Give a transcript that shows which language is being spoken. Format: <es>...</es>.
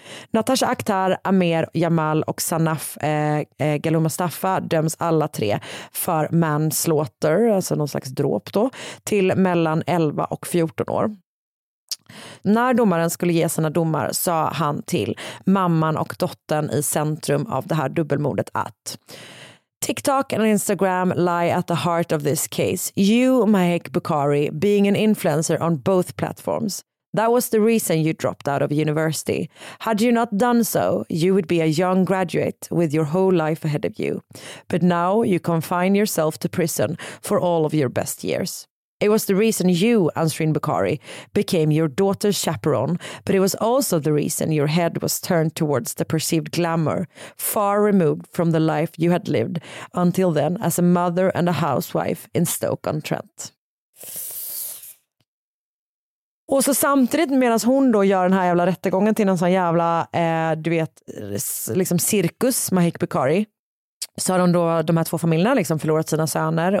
<sv>Natasha Akhtar, Amer Jamal och Sanaf Galuma Staffa döms alla tre för manslaughter, alltså någon slags dråp då, till mellan 11 och 14 år. När domaren skulle ge sina domar sa han till mamman och dottern i centrum av det här dubbelmordet att</sv> <en>TikTok and Instagram lie at the heart of this case. You, Mahek Bukhari, being an influencer on both platforms. That was the reason you dropped out of university. Had you not done so, you would be a young graduate with your whole life ahead of you. But now you confine yourself to prison for all of your best years. It was the reason you, Anshrin Bukhari, became your daughter's chaperone, but it was also the reason your head was turned towards the perceived glamour, far removed from the life you had lived until then as a mother and a housewife in Stoke-on-Trent.</en> <sv>Och så samtidigt medan hon då gör den här jävla rättegången till en sån jävla, du vet, liksom cirkus, Mahek Bukhari, så har de de här två familjerna liksom förlorat sina söner.</sv>